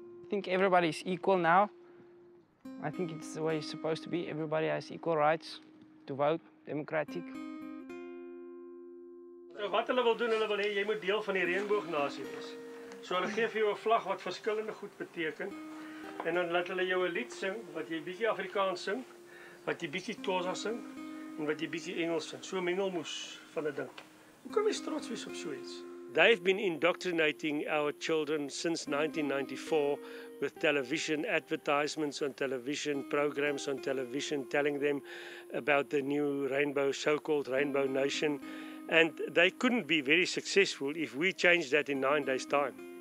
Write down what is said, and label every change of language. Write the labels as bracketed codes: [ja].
[en] I think everybody's equal now. I think it's the way it's supposed to be. Everybody has equal rights to vote, democratic. What they want to do, they want to say you're part of the Rainbow Nation. So they give you a flag that means different. And then let them you a lied sing, that you sing a bit Afrikaans. [af] Wat jy bietjie Tosa sing en wat jy bietjie Engels sing. So mengelmoes van die ding. Hoe kan jy trots wees op so iets? [en] They've been indoctrinating our children since 1994 with television advertisements on television, programs on television, telling them about the new rainbow, so-called rainbow nation. And they couldn't be very successful if we change that in 9 days' time.